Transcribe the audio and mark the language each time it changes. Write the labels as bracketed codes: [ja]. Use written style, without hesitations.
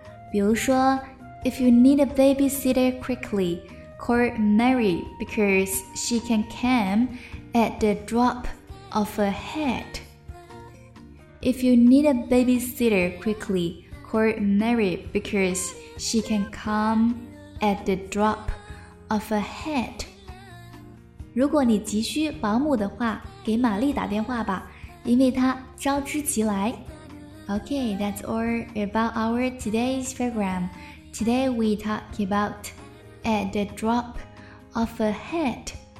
[zh] 比如说 [en] if you need a babysitter quickly, call Mary because she can come at the drop of a hat. If you need a babysitter quickly, call Mary because she can come at the drop of a hat. [zh] 如果你急需保姆的话，给玛丽打电话吧，因为她招之即来。 [en] Okay, that's all about our today's program. Today we talk about at the drop of a hat.